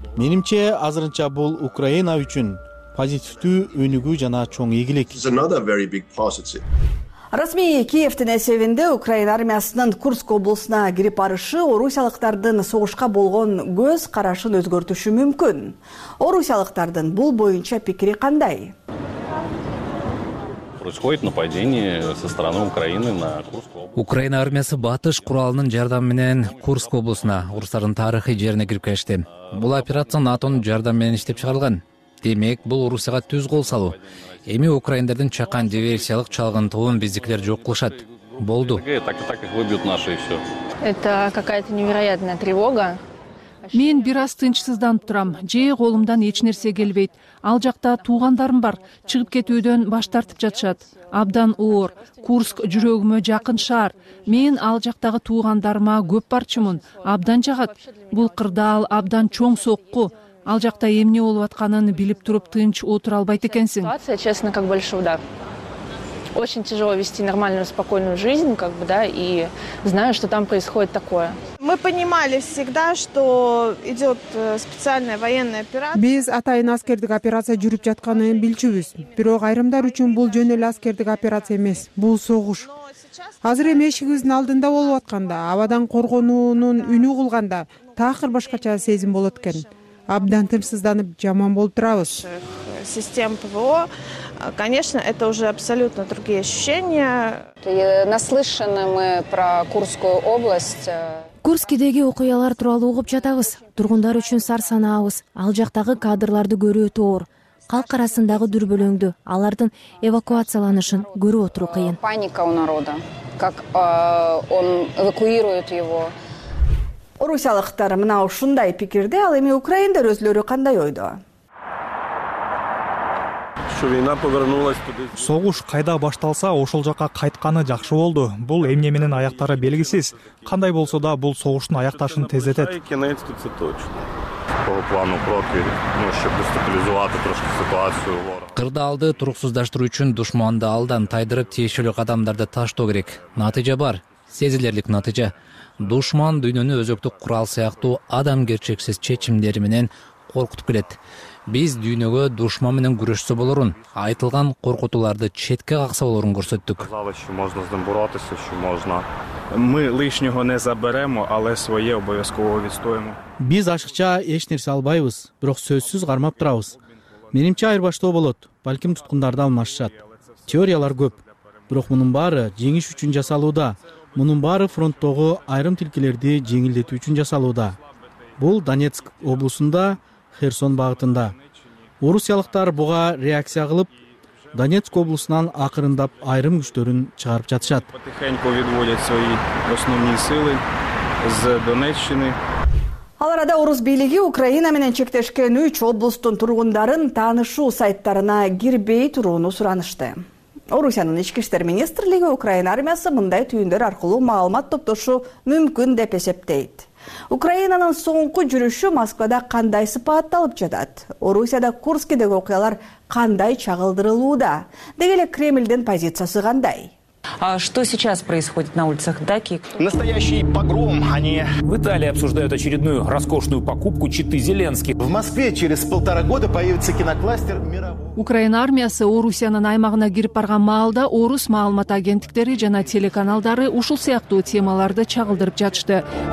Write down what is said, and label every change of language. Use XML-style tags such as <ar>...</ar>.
<ky>Менимче, азырынча бул Украина үчүн позитивдүү өнүгүү жана чоң ийгилик. Расмий Киевтин эсебинде Украина армиясынын Курск облусуна кирип барышы орусиялыктардын согушка болгон көз карашын өзгөртүшү мүмкүн. Орусиялыктардын бул боюнча пикири кандай?</ky> <ru>Происходит нападение со стороны Украины на Курск</ru> <ky>облусу. Украина армиясы батыш куралынын жардамы менен Курск облусуна урустардын тарыхый жерине кирип келишти. Бул операция НАТОнун жардамы менен иштеп чыгарылган. Демек, бул Орусияга түз кол салуу. Эми украиндардын чакан диверсиялык чалгынтуун биздикилер жок кылышат. Болду.</ky> <ru>Это какая-то невероятная тревога.</ru> <ky>Мен бир аз тынчсызданып турам. Жээ колумдан эч нерсе келбейт. Ал жакта туугандарым бар. Чыгып кетүүдөн баш тартып жатышат. Абдан оор. Курск жүрөгүмө жакын шаар. Мен ал жактагы туугандарыма көп барчумун. Абдан жагат. Бул кырдаал абдан чоң сокку. Ал жакта эмне болуп атканын билип туруп тынч отура албайт экенсиң.</ky> <ru>Ситуация, честно, как большой удар. Очень тяжело вести нормальную, спокойную жизнь, как бы, да, и знаю, что там происходит такое. Мы понимали всегда, что идет специальная военная операция.</ru> <ky>Биз атайын аскердик операция жүрүп жатканын билчүбүз. Бирок айрымдар үчүн бул жөн эле аскердик операция эмес, бул согуш. Азыр эми эшигибиздин алдында болуп атканда, абадан коргонуунун үнү кылганда, такыр башкача сезим болот экен. Абдан тынчсызданып жаман болуп турабыз.</ky> <ru>Систем ПВО, конечно, это уже абсолютно другие ощущения. Наслышаны мы про Курскую область.</ru> <ky>Курскидеги окуялар тууралуу угуп жатабыз. Тургундар үчүн сарсанаабыз. Ал жактагы кадрларды көрүү оор. Калк арасындагы дүрбөлөңдү, алардын эвакуацияланышын көрүп отуруу кыйын.</ky> <ru>Паника у народа. Как он эвакуирует его.</ru> <ky>Орусиялыктар мына ушундай пикирде, ал эми украиндер өзлөрү кандай ойдо? Согуш кайда башталса, ошол жакка кайтканы жакшы болду. Бул эмне менен аяктары белгисиз. Кандай болсо да, бул согуштун аякташын тездетет.</ky> <uk>По плану Прокви, чтобы дестабилизовать трошки ситуацию.</uk> <ky>Кырдаалды туруксуздаштыруу үчүн душманды алдан тайдырып, тиешелүү кадамдарды таштоо керек. Натыйжа бар. Сезилерлик натыйжа. Душман дүйнөнү өзөктүк курал сыяктуу адамгерчиксиз чечимдери менен коркутуп келет. Биз дүйнөгө душман менен күрөшсө болорун, айтылган коркутууларды четке какса болорун көрсөттүк.</ky> <ru>Можно с ним бороться, еще можно.</ru> <uk>Мы лишнего не заберемо, але свое обовязково відстоїмо.</uk> <ky>Биз ашыкча эч нерсе албайбыз, бирок сөзсүз кармап турабыз. Менимче айырбаштоо болот, балким туткундарды алмашышат. Теориялар көп, бирок мунун баары жеңиш үчүн жасалууда. Мунун баары фронттогу айрым тилкелерди жеңилдетүү үчүн жасалууда. Бул Донецк облусунда, Херсон багытында. Орусиялыктар буга реакция кылып, Донецк облусунан акырындап айрым күчтөрүн чыгарып жатышат.</ky> <ru>Потихоньку выводят свои основные силы из Донеччины.</ru> <ky>Ал арада орус бийлиги Украина менен чектешкен 3 облустун тургундарын таанышуу сайттарына кирбей турууну суранышты. Орусиянын ички иштер министрлиги Украина армиясы мындай түйүндөр аркылуу маалымат топтошу мүмкүн деп эсептейт. Украинанын соңку жүрүшү Москвада кандай сыпатты алып жатат? Орусияда Курскидеги окуялар кандай чагылдырылууда? Деги эле Кремлдин позициясы кандай?</ky> <ru>А что сейчас происходит на улицах Даки? Настоящий погром, а не... В Италии обсуждают очередную роскошную покупку читы Зеленский. В Москве через полтора года появится кинокластер мирового...</ru> <ky>Украина армиясы Орусиянын аймагына кирип барган маалда орус маалымат агенттиктери жана телеканалдары ушул сыяктуу темаларды чагылдырып жатышты.</ky>